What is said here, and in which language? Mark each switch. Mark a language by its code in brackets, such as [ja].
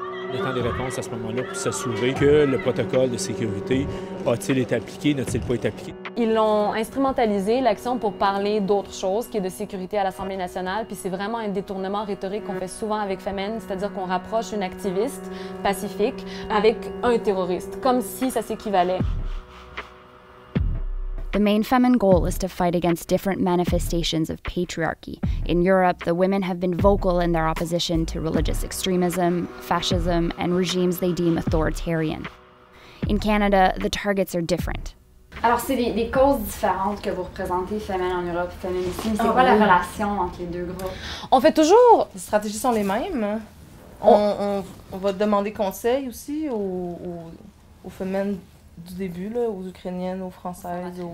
[fr] Le temps des réponses à ce moment-là pour s'assurer que le protocole de sécurité a-t-il été appliqué, n'a-t-il pas été appliqué. Ils l'ont instrumentalisé, l'action, pour parler d'autre chose qui est de sécurité à l'Assemblée nationale. Puis c'est vraiment un détournement rhétorique qu'on fait souvent avec FEMEN, c'est-à-dire qu'on rapproche une activiste pacifique avec un terroriste, comme si ça s'équivalait. [en] The main FEMEN goal is to fight against different manifestations of patriarchy. In Europe, the women have been vocal in their opposition to religious extremism, fascism, and regimes they deem authoritarian. In Canada, the targets are different. [fr] Alors, c'est des causes différentes que vous représentez, FEMEN en Europe, FEMEN ici. C'est quoi la relation entre les deux groupes? On fait toujours... Les stratégies sont les mêmes. On va demander conseil aussi aux FEMEN... Du début, là, aux Ukrainiennes, aux Françaises.